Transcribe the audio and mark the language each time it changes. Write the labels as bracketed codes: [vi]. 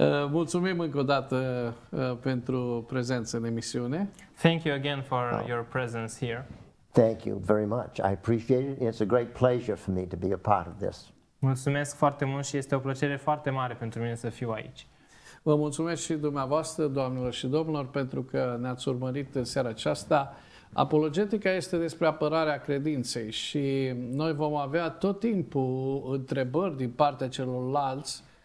[ro] Mulțumim încă o dată pentru prezența în emisiune. [en] Thank you again for your presence here. Thank you very much. I appreciate it. It's a great pleasure for me to be a part of this. [ro] Mulțumesc foarte mult și este o plăcere foarte mare pentru mine să fiu aici. Vă mulțumesc și dumneavoastră, doamnelor și domnilor, pentru că ne-ați urmărit în seara aceasta. Apologetica este despre apărarea credinței și noi vom avea tot timpul întrebări din partea celorlalți